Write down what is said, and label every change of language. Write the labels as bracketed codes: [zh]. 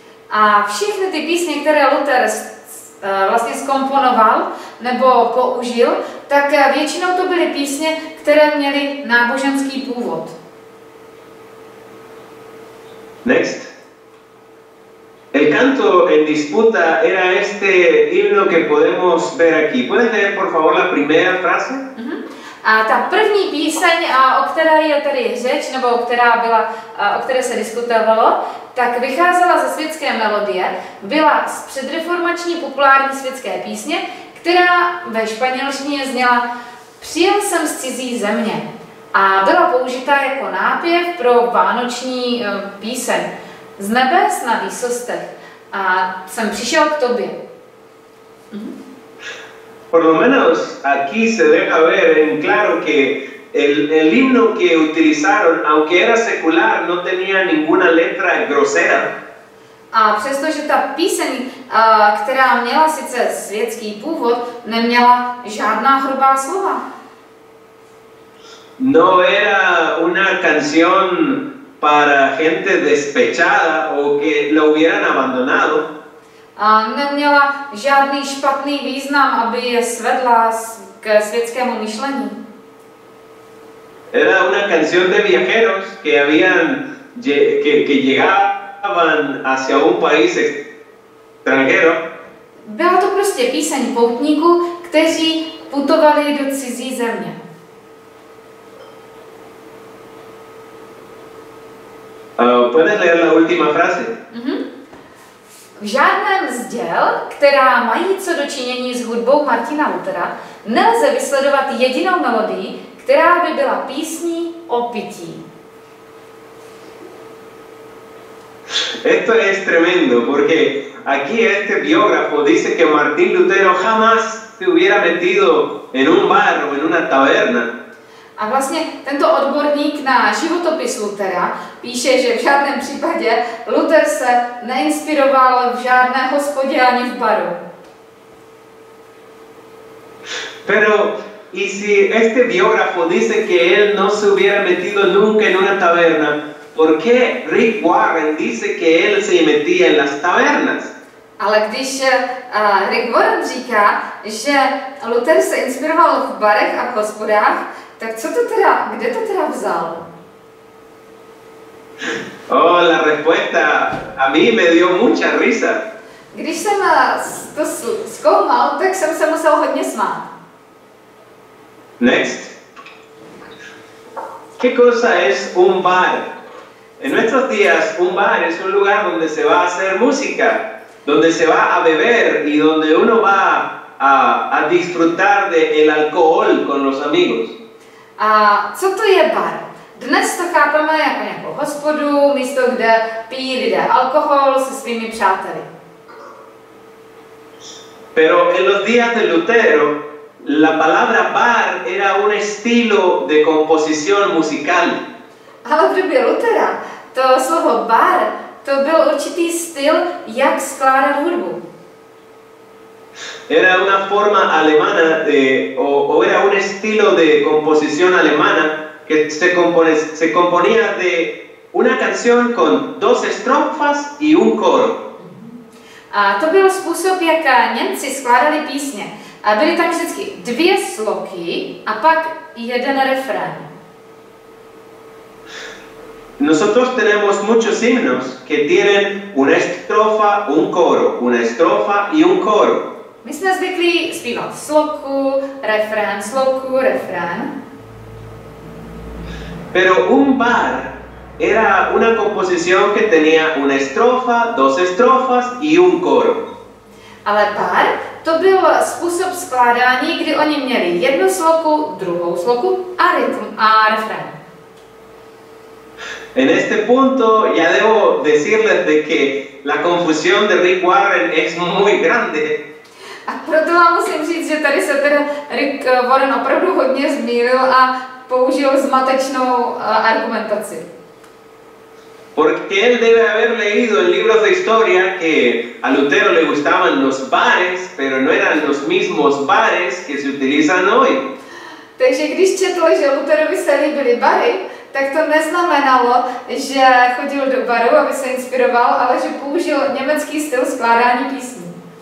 [cs] A všechny ty písně, které Luther vlastně zkomponoval nebo použil, tak většinou to byly písně, které měly náboženský původ. [en] Next. [es] El canto en disputa era este himno que podemos ver aquí. ¿Puedes leer, por favor, la primera frase? [cs] A ta první píseň, o které je tady řeč, nebo o které se diskutovalo, tak vycházela ze světské melodie, byla z předreformační populární světské písně, která ve španělštině zněla Přijel jsem z cizí země a byla použita jako nápěv pro vánoční píseň Z nebes na výsostech a jsem přišel k tobě. [es] Por lo menos aquí se deja ver en claro que el himno que utilizaron, aunque era secular, no tenía ninguna letra grosera. [cs] A přestože ta píseň, která měla sice světský původ, neměla žádná hrubá slova. [es] No era una canción para gente despechada o que lo hubieran abandonado. [cs] A neměla žádný špatný význam, aby je svedla k světskému myšlení. [es] Era una canción de viajeros que habían que llegaban hacia un país extranjero. [cs] Byla to prostě píseň poutníků, kteří putovali do cizí země. [es] Puedes leer la última frase? [cs] V žádném z děl, která mají co dočinění s hudbou Martina Luthera, nelze vysledovat jedinou melodii, která by byla písní o pití. [es] Esto es tremendo, porque aquí este biógrafo dice que Martín Lutero jamás se hubiera metido en un bar o en una taberna. [cs] A vlastně tento odborník na životopis Luthera píše, že v žádném případě Luther se neinspiroval v žádné hospodě ani v baru. [es] Pero y si este biógrafo dice que él no se hubiera metido nunca en una taberna, ¿por qué Rick Warren dice que él se metía en las tabernas? [cs] Ale když Rick Warren říká, že Luther se inspiroval v barech a v hospodách, tak co to teda, kde to teda vzal? [es] Oh, la respuesta a mí me dio mucha risa. [cs] Když jsem to zkoumal, tak jsem se musel hodně smát. [en] Next. [es] ¿Qué cosa es un bar? En nuestros días, un bar es un lugar donde se va a hacer música, donde se va a beber y donde uno va a disfrutar del alcohol con los amigos. [cs] A co to je bar? Dnes to chápeme jako nějakou hospodu, místo, kde pijí lidé alkohol se svými přáteli. [es] Pero en los días de Lutero, la palabra bar era un estilo de composición musical. [cs] Ale v době Lutera, to slovo bar, to byl určitý styl, jak skládat hudbu. [es] Era una forma alemana de, o era un estilo de composición alemana que se componía de una canción con dos estrofas y un coro. [cs] A to byl způsob, jak Němci skládali písně. A byly tam vždycky dvě sloky a pak jeden refrén. [es] Nosotros tenemos muchos himnos que tienen una estrofa, un coro, una estrofa y un coro. [cs] My jsme zvyklí zpívat sloku, refrén, sloku, refrén. [es] Pero un bar era una composición que tenía una estrofa, dos estrofas y un coro. [cs] Ale bar to byl způsob skládání, kdy oni měli jednu sloku, druhou sloku a rytm a refrén. [es] En este punto ya debo decirles de que la confusión de Rick Warren es muy grande. [cs] A proto vám musím říct, že tady se teda Rick Warren opravdu hodně zmýlil a použil zmatečnou argumentaci. [es] Porque él debe haber leído en libros de historia que a Lutero le gustaban los bares, pero no eran los mismos bares que se utilizan hoy. [cs] Takže když četl, že Luterovi se líbily bary, tak to neznamenalo, že chodil do baru, aby se inspiroval, ale že použil německý styl skládání písní.